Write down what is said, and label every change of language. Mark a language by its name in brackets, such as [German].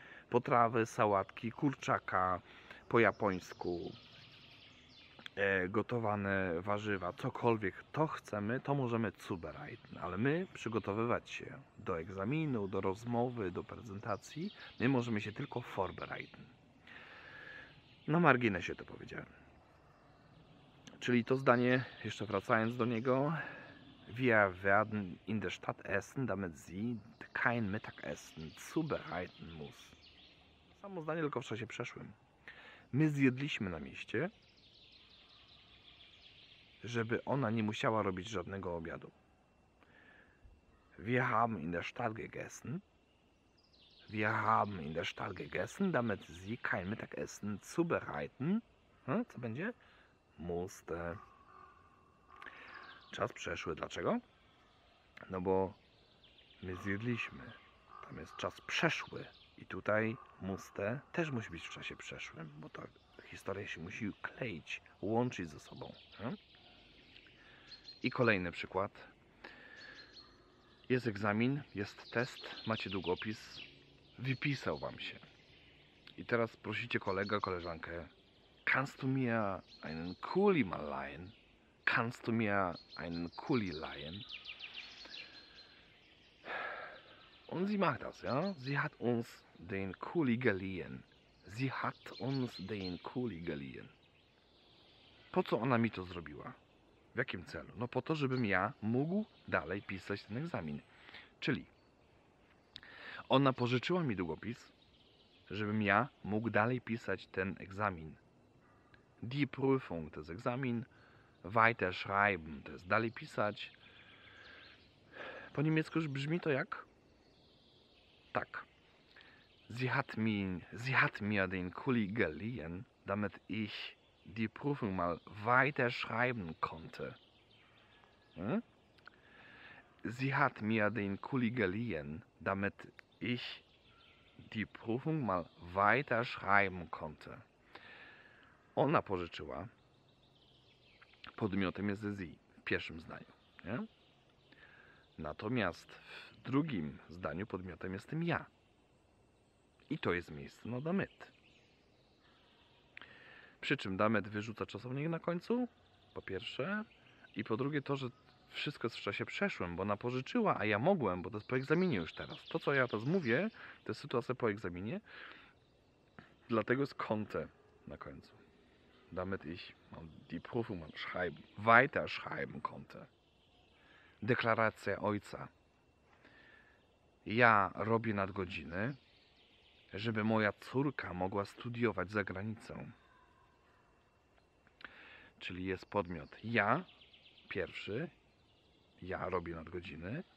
[Polish] Potrawy, sałatki, kurczaka po japońsku, gotowane warzywa, cokolwiek to chcemy, to możemy zubereiten. Ale my przygotowywać się do egzaminu, do rozmowy, do prezentacji, my możemy się tylko vorbereiten. Na marginesie to powiedziałem. Czyli to zdanie, jeszcze wracając do niego. [German] Wir werden in der Stadt essen, damit sie kein Mittagessen zubereiten muss. [Polish] Samo zdanie, tylko w czasie przeszłym. My zjedliśmy na mieście, żeby ona nie musiała robić żadnego obiadu. [German] Wir haben in der Stadt gegessen. Wir haben in der Stadt gegessen, damit sie kein Mittagessen zubereiten. [Polish] Co będzie? Musste. Czas przeszły. Dlaczego? No bo my zjedliśmy. Tam jest czas przeszły. I tutaj musste też musi być w czasie przeszłym, bo ta historia się musi kleić, łączyć ze sobą. I kolejny przykład. Jest egzamin, jest test, macie długopis. Wypisał wam się. I teraz prosicie kolega, koleżankę: [German] Kannst du mir einen Kuli mal leihen? Kannst du mir einen Kuli leihen? Und sie macht das, ja? Sie hat uns den Kuli geliehen. Sie hat uns den Kuli geliehen. [Polish] Po co ona mi to zrobiła? W jakim celu? No po to, żebym ja mógł dalej pisać ten egzamin. Czyli ona pożyczyła mi długopis, żebym ja mógł dalej pisać ten egzamin. [German] Die Prüfung, [Polish] to jest egzamin. [German] Weiter schreiben, [Polish] to jest dalej pisać. Po niemiecku już brzmi to jak? Tak. [German] Sie hat mir den Kuli geliehen, damit ich die Prüfung mal weiter schreiben konnte. Hm? Sie hat mir den Kuli geliehen, damit ich die Prüfung mal weiter schreiben konnte. [Polish] Ona pożyczyła. Podmiotem jest sie w pierwszym zdaniu. Nie? Natomiast w drugim zdaniu podmiotem jestem ja. I to jest miejsce na damit. Przy czym damit wyrzuca czasownik na końcu, po pierwsze. I po drugie to, że wszystko jest w czasie przeszłym, bo ona pożyczyła, a ja mogłem, bo to jest po egzaminie już teraz. To, co ja teraz mówię, to jest sytuacja po egzaminie. Dlatego jest konnte na końcu. [German] Damit ich die Prüfung mal schreiben, weiter schreiben konnte. [Polish] Deklaracja ojca. Ja robię nadgodziny, żeby moja córka mogła studiować za granicą. Czyli jest podmiot. Ja, pierwszy, ja robię nadgodziny.